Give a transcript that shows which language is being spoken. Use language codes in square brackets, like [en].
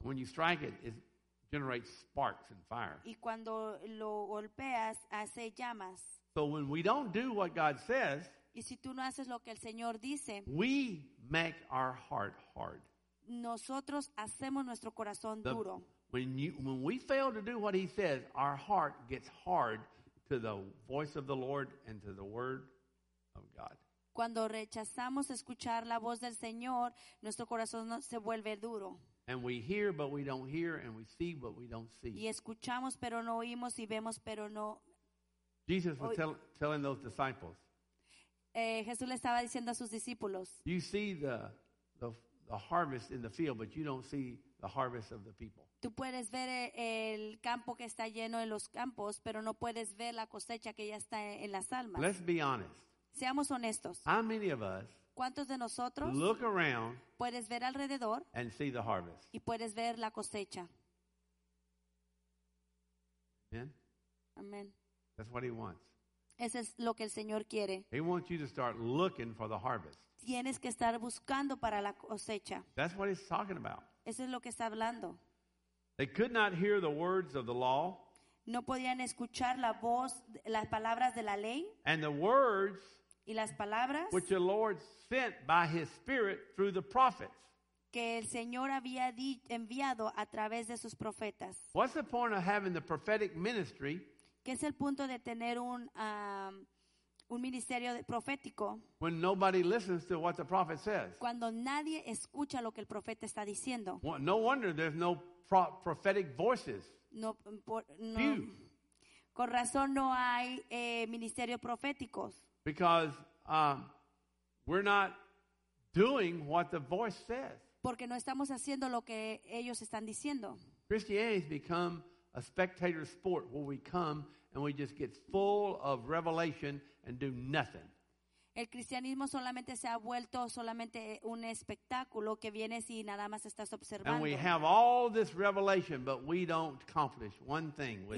[en] When you strike it, it generates sparks and fire. [es] Y cuando lo golpeas, hace llamas. [en] So when we don't do what God says, [es] y si tú no haces lo que el Señor dice, [en] we make our heart hard. [es] Nosotros hacemos nuestro corazón duro. [en] When we fail to do what he says, our heart gets hard to the voice of the Lord and to the word of God. [es] Cuando rechazamos escuchar la voz del Señor, nuestro corazón se vuelve duro. [en] And we hear but we don't hear, and we see but we don't see. [es] Y escuchamos pero no oímos, y vemos pero no. [en] Jesus was telling those disciples. [es] Jesús le estaba diciendo a sus discípulos. [en] You see the harvest in the field, but you don't see the harvest of the people. [es] Tú puedes ver el campo que está lleno de los campos, pero no puedes ver la cosecha que ya está en las almas. [en] Let's be honest. [es] Seamos honestos. [en] How many of us? [es] ¿Cuántos de nosotros? [en] Look around. [es] Puedes ver alrededor. [en] And see the harvest. [es] Y puedes ver la cosecha. [en] Amen. [es] Amen. [en] That's what he wants. [es] Eso es lo que el Señor quiere. [en] He wants you to start looking for the harvest. [es] Tienes que estar buscando para la cosecha. [en] That's what he's talking about. [es] Eso es lo que está hablando. [en] They could not hear the words of the law. [es] No podían escuchar la voz, las palabras de la ley. [en] And the words, [es] y las palabras, [en] which the Lord sent by his spirit through the prophets. [es] Que el Señor había enviado a través de sus profetas. [en] What's the point of having the prophetic ministry? [es] ¿Qué es el punto de tener un ministerio profético? [en] When nobody listens to what the prophet says. [es] Cuando nadie escucha lo que el profeta está diciendo. [en] Well, no wonder there's no prophetic voices. [es] No. Con razón no hay ministerios proféticos. [en] Because we're not doing what the voice says. [es] Porque no estamos haciendo lo que ellos están diciendo. [en] Christianity has become a spectator sport where we come and we just get full of revelation and do nothing. [es] El cristianismo solamente se ha vuelto solamente un espectáculo que vienes y nada más estás observando. [en] And we have all this revelation, but we don't accomplish one thing with